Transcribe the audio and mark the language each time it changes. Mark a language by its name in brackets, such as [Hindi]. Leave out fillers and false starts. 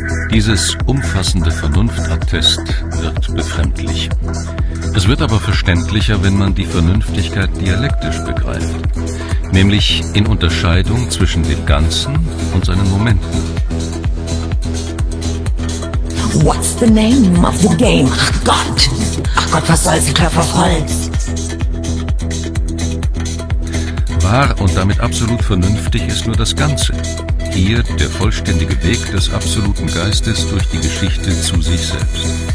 [German] Dieses umfassende Vernunftattest wirkt befremdlich. Es wird aber verständlicher, wenn man die Vernünftigkeit dialektisch begreift. Nämlich in Unterscheidung zwischen dem Ganzen und seinen Momenten. [English] What's the name of the game? [German] Gott! Ach Gott, was soll sie klar verfolgen? Wahr und damit absolut vernünftig ist nur das Ganze. Hier der vollständige Weg des absoluten Geistes durch die Geschichte zu sich selbst.